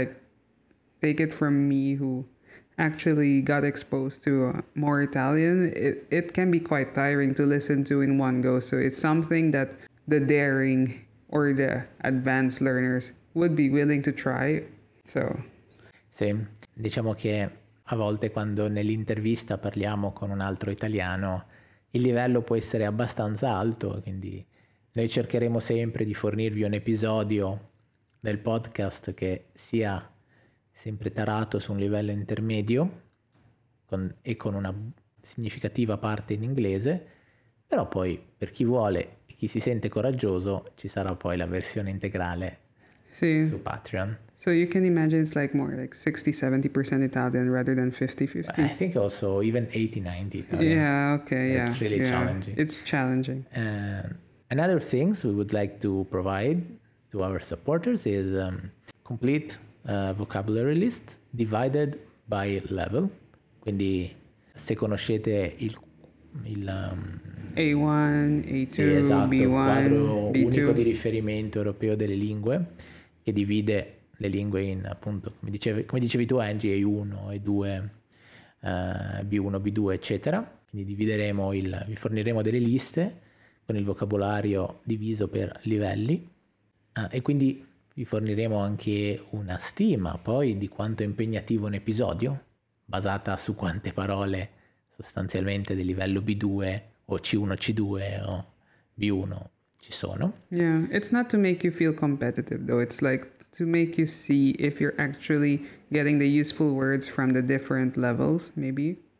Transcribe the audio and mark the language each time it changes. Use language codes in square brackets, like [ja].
[en] Like, take it from me who actually got exposed to more Italian. It can be quite tiring to listen to in one go. So it's something that the daring or the advanced learners would be willing to try. So. [it] Sì, diciamo che a volte quando nell'intervista parliamo con un altro italiano il livello può essere abbastanza alto, quindi noi cercheremo sempre di fornirvi un episodio del podcast che sia sempre tarato su un livello intermedio e con una significativa parte in inglese, però poi per chi vuole e chi si sente coraggioso ci sarà poi la versione integrale. Sì. Su Patreon. [en] So you can imagine it's like more like 60-70% Italian rather than 50-50. I think also even 80-90 Italian. Yeah, okay, yeah. It's really challenging. It's challenging. Another things we would like to provide to our supporters is complete vocabulary list divided by level. [it] Quindi se conoscete A1, A2, sì, esatto, B1, B2. Quadro unico di riferimento europeo delle lingue, che divide le lingue in, appunto, come dicevi tu, Angie, A1, A2, B1, B2, eccetera. Quindi vi forniremo delle liste con il vocabolario diviso per livelli, e quindi vi forniremo anche una stima poi di quanto è impegnativo un episodio, basata su quante parole sostanzialmente del livello B2 o C1, C2 o B1 ci sono. [en] Yeah, it's not to make you feel competitive though, it's like to make you see if you're actually getting the useful words from the different levels, maybe.